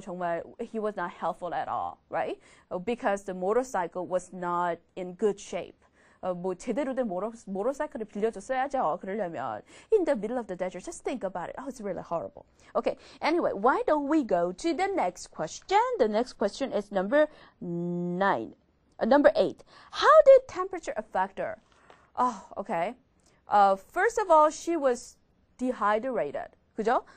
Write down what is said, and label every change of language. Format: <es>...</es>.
<ko>정말</ko> <en>he was not helpful at all, right? Because the motorcycle was not in good shape.</en> <ko>뭐 제대로 된 모터사이클을 빌려줬어야죠. 그러려면</ko> <en>in the middle of the desert, just think about it. Oh, it's really horrible. Okay. Anyway, why don't we go to the next question? The next question is number 9. Number 8. How did temperature affect her? Oh, okay. First of all, she was dehydrated. 그죠?</en>